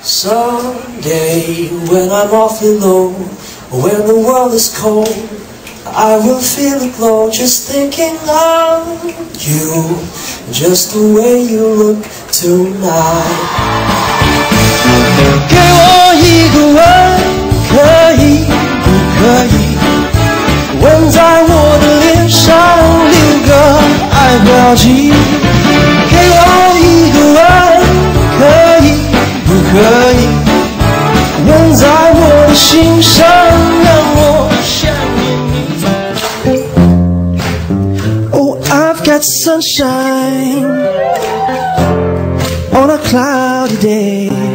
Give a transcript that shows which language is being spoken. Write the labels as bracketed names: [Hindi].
[English] Someday when I'm awfully low, when the world is cold, I will feel a glow just thinking of you, just the way you look tonight. [Chinese] 给我一个吻，可以不可以？吻在我的脸上留个爱标记。给我一个吻，可以不可以？吻在我的心上，让我想念你。 [English] Oh, I've got sunshine on a cloudy day.